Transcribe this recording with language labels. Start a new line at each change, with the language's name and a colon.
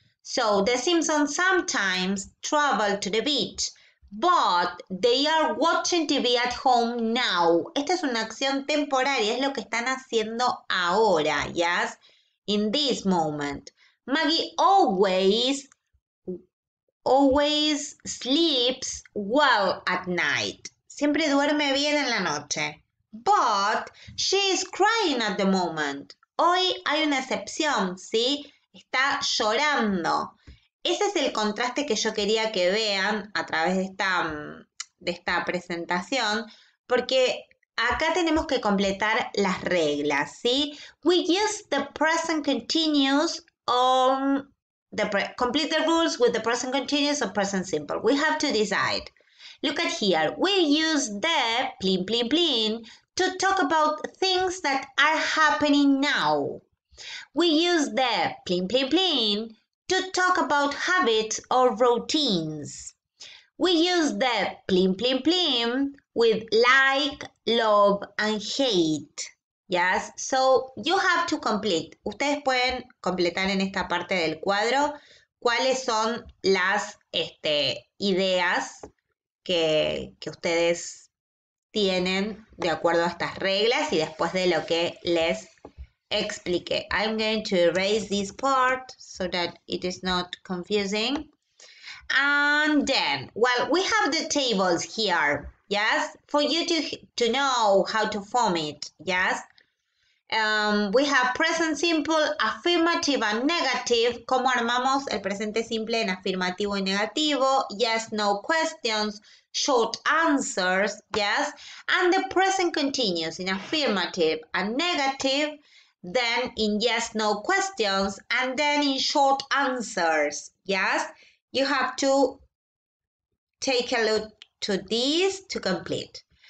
English: So, the Simpsons sometimes travel to the beach, but they are watching TV at home now.
Spanish: Esta es una acción temporaria, es lo que están haciendo ahora, ¿ya? ¿Sí?
English: In this moment. Maggie always sleeps well at night.
Spanish: Siempre duerme bien en la noche.
English: But she is crying at the moment.
Spanish: Hoy hay una excepción, ¿sí? Está llorando. Ese es el contraste que yo quería que vean a través de esta presentación, porque acá tenemos que completar las reglas, ¿sí?
English: We use the present continuous on the pre complete the rules with the present continuous or present simple. We have to decide. Look at here. We use the plin plin plin to talk about things that are happening now. We use the plin plin plin to talk about habits or routines. We use the plin plin plin with like, love and hate. Yes, so you have to complete.
Spanish: Ustedes pueden completar en esta parte del cuadro cuáles son las ideas que ustedes tienen de acuerdo a estas reglas y después de lo que les expliqué.
English: I'm going to erase this part so that it is not confusing. And then, well, we have the tables here, yes, for you to know how to form it, yes. We have present simple, affirmative and negative.
Spanish: ¿Cómo armamos el presente simple en afirmativo y negativo?
English: Yes, no questions, short answers, yes. And the present continuous in affirmative and negative. Then in yes, no questions. And then in short answers, yes. You have to take a look to these to complete.